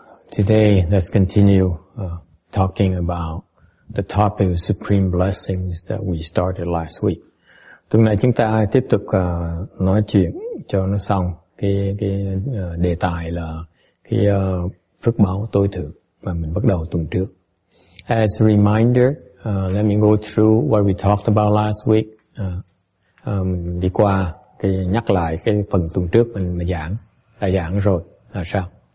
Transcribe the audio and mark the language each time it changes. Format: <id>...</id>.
<en>Today, let's continue talking about the topic of supreme blessings that we started last week.</en> <vi>Tuần này chúng ta tiếp tục nói chuyện cho nó xong cái đề tài là cái phước báo tối thượng mà mình bắt đầu tuần trước.</vi> <en>As a reminder, let me go through what we talked about last week.</en> <vi>Đi qua cái nhắc lại cái phần tuần trước mình giảng đã giảng rồi là sao?</vi>